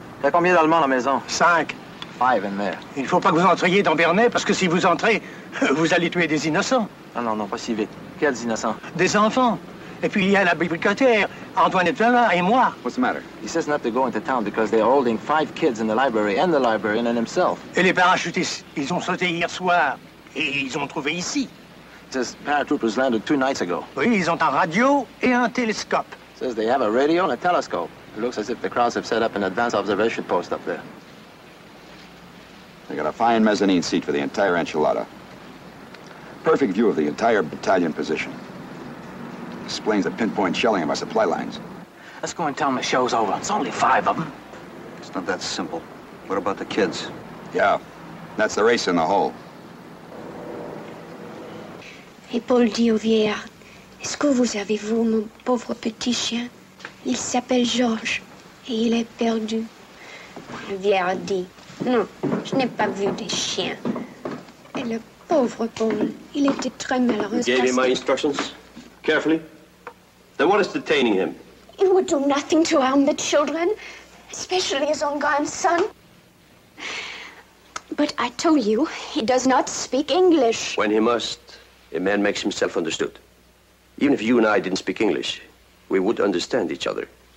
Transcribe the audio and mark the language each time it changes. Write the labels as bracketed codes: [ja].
[fr] Il y a combien d'Allemands à la maison? Cinq. [en] Five in there. [fr] Il ne faut pas que vous entriez dans Bernay, parce que si vous entrez... Vous allez tuer des innocents. Non, non, non, pas si vite. Quels innocents? Des enfants. Et puis il y a la bibliothécaire, Antoinette Vellin et moi. [en] What's the matter? He says not to go into town because they're holding five kids in the library and the librarian and himself. [fr] Et les parachutistes, ils ont sauté hier soir. Et ils ont trouvé ici. [en] He says paratroopers landed two nights ago. [fr] Oui, ils ont un radio et un télescope. [en] He says they have a radio and a telescope. It looks as if the crowds have set up an advanced observation post up there. They got a fine mezzanine seat for the entire enchilada. Perfect view of the entire battalion position. Explains the pinpoint shelling of our supply lines. Let's go and tell them the show's over. It's only five of them. It's not that simple. What about the kids? Yeah. That's the race in the hole. [fr] Et Paul dit au vieillard, est-ce que vous avez vu mon pauvre petit chien? Il s'appelle Georges et il est perdu. Le vieillard dit, non, je n'ai pas vu des chiens. Et le pauvre Paul, il était très malheureux. [en] You gave him my instructions? Carefully? Then what is detaining him? He would do nothing to harm the children, especially his own grandson. But I told you, he does not speak English. When he must, a man makes himself understood. Even if you and I didn't speak English, we would understand each other.